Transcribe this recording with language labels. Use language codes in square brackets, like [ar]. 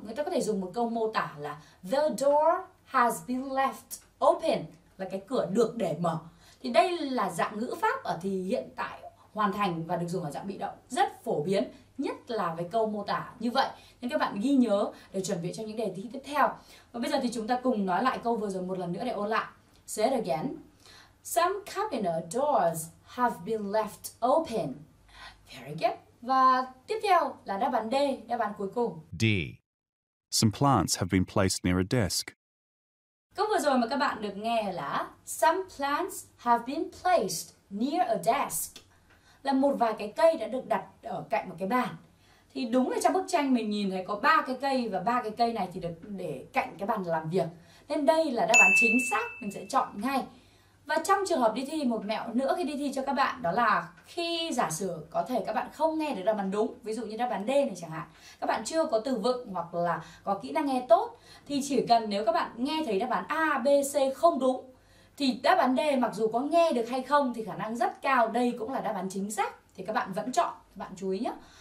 [vi] Người ta có thể dùng một câu mô tả là [en] the door has been left open, [vi] là cái cửa được để mở. Thì đây là dạng ngữ pháp ở thì hiện tại hoàn thành và được dùng ở dạng bị động rất phổ biến, nhất là với câu mô tả như vậy. Nên các bạn ghi nhớ để chuẩn bị cho những đề thi tiếp theo. Và bây giờ thì chúng ta cùng nói lại câu vừa rồi một lần nữa để ôn lại. [en] Say it again. Some cabinet doors have been left open. Very good. [vi] Và tiếp theo là đáp án D, đáp án cuối cùng. [en] D. Some plants have been placed near a desk. [vi] Câu vừa rồi mà các bạn được nghe là [en] some plants have been placed near a desk. [vi] Là một vài cái cây đã được đặt ở cạnh một cái bàn. Thì đúng là trong bức tranh mình nhìn thấy có ba cái cây và ba cái cây này thì được để cạnh cái bàn làm việc. Nên đây là đáp án chính xác, mình sẽ chọn ngay. Và trong trường hợp đi thi thì một mẹo nữa khi đi thi cho các bạn đó là khi giả sử có thể các bạn không nghe được đáp án đúng, ví dụ như đáp án D này chẳng hạn, các bạn chưa có từ vựng hoặc là có kỹ năng nghe tốt, thì chỉ cần nếu các bạn nghe thấy đáp án A, B, C không đúng thì đáp án D mặc dù có nghe được hay không thì khả năng rất cao đây cũng là đáp án chính xác, thì các bạn vẫn chọn, các bạn chú ý nhé.